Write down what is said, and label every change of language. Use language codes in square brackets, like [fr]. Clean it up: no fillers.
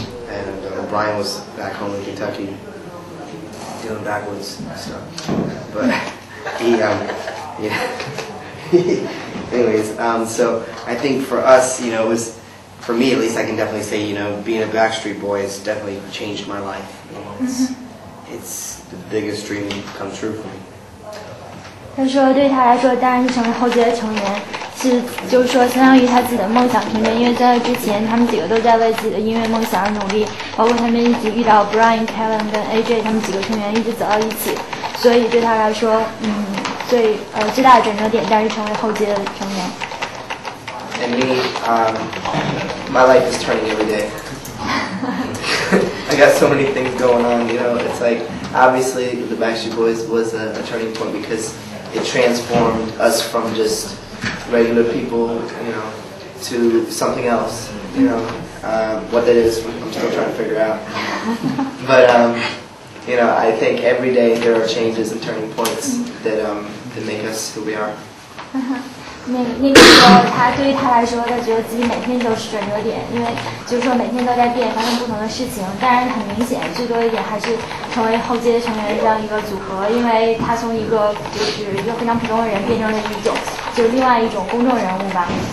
[en] And Brian was back home in Kentucky doing backwards stuff, but he, yeah. Anyways, so I think for us, you know, it was for me at least. I can definitely say, you know, being a Backstreet Boy has definitely changed my life. It's the biggest dream come true for me. [zh] 他说，对他来说，当然是成为后街的成员。就是说，相当于他自己的梦想成员，因为在之前，他们几个都在为自己的音乐梦想而努力，包括他们一直遇到 Brian、Kevin 跟 AJ 他们几个成员，一直走到一起，所以对他来说，嗯。最最大的转折点，但是成为后街的成员。 [en] And me, my life is turning every day. I got so many things going on, you know. It's like, obviously, the Backstreet Boys was a turning point because it transformed us from just regular people, you know, to something else, you know. What that is, I'm still trying to figure out. But, you know, I think every day there are changes and turning points that, that make us who we are. Uh-huh. [zh] 那个时候他对于他来说，他觉得自己每天都是转折点，因为就是说每天都在变，发生不同的事情。当然很明显，最多一点还是成为后街成员这样一个组合，因为他从一个就是一个非常普通的人变成了一种就是另外一种公众人物吧。